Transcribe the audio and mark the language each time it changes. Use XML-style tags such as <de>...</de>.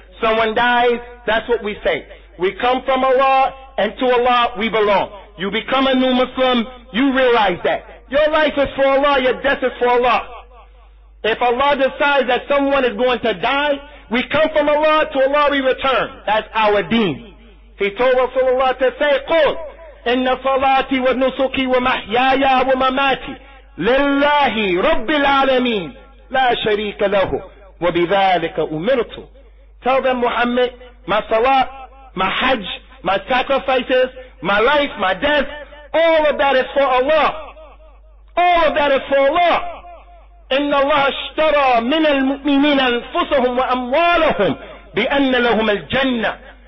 <en>Someone dies, that's what we say. We come from Allah, and to Allah we belong. You become a new Muslim, you realize that. Your life is for Allah, your death is for Allah. If Allah decides that someone is going to die, we come from Allah, to Allah we return. That's our deen. He told Rasulullah to say,</en> <ar>قُلْ إِنَّ صَلَاتِي وَنُسُكِي وَمَحْيَايَا وَمَمَاتِي لِلَّهِ رَبِّ الْعَالَمِينَ لَا شَرِيكَ لَهُ وَبِذَلِكَ أُمِرْتُ.</ar> <en>Tell them, Muhammad, my salat, my hajj, my sacrifices, my life, my death, all of that is for Allah. All of that is for Allah.</en> <ar>إِنَّ اللَّهَ اشْتَرَى مِنَ الْمُؤْمِنِينَ أَنفُسَهُمْ وَأَمْوَالَهُمْ بِأَنَّ لَهُمَ الْجَنَّةِ.</ar>